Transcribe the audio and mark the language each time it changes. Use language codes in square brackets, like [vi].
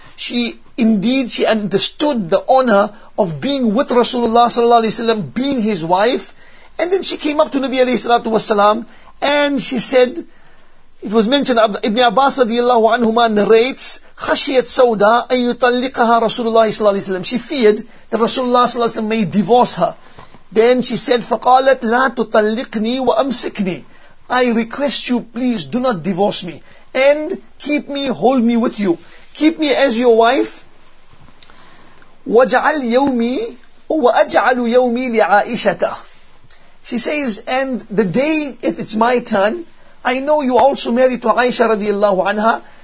[en] She understood the honor of being with Rasulullah sallallahu alaihi wasallam, being his wife. And then she came up to Nabi alayhi salatu wasalam and she said, it was mentioned, Ibn Abbas radiallahu anhuma narrates, [ar] خَشِيَتْ سَوْدَىٰ أَن يُطَلِّقَهَا رَسُولُ اللَّهِ صَلَى اللَّهِ عَلَيْهِ وَسَلَّمَ. [en] She feared that Rasulullah صلى الله عليه وسلم may divorce her. Then she said, [ar] فَقَالَتْ لَا تُطَلِّقْنِي وَأَمْسِكْنِي. [en] I request you, please do not divorce me. And keep me, hold me with you. Keep me as your wife. [ar] وَجَعَلْ يَوْمِي وَأَجْعَلُ يَوْمِي لِعَائِشَتَ. [en] She says, and the day it's my turn, I know you also married to Aisha radiallahu anha.